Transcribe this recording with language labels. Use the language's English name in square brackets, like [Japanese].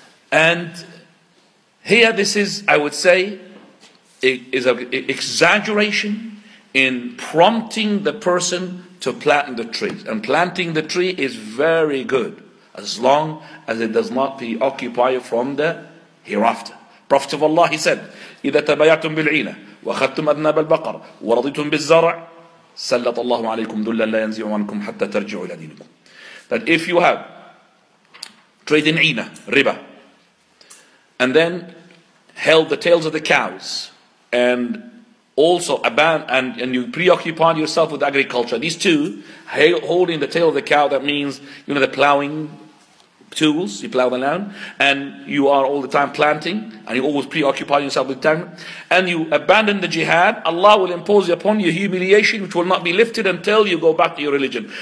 [English] And here this is, I would say, is an exaggeration in prompting the person to plant the tree. And planting the tree is very good, as long as it does not be occupied from the hereafter. Prophet of Allah, he said, [Arabic] إِذَا تَبَيَعْتُمْ بِالْعِينَ وَخَدْتُمْ أَذْنَابَ الْبَقَرَ وَرَضِيتُمْ بِالزَّرَعِ سَلَّطَ اللَّهُ عَلَيْكُمْ دُلَّا لَا يَنْزِعُ عَنْكُمْ حَتَّى تَرْجِعُوا إِلَى دِينِكُمْ. [English] That if you have trade in عِينَ, riba, and then held the tails of the cows, and also and you preoccupy yourself with agriculture, these two, holding the tail of the cow, that means, you know, the plowing tools, you plow the land, and you are all the time planting, and you always preoccupy yourself with time, and you abandon the jihad, Allah will impose upon you humiliation which will not be lifted until you go back to your religion.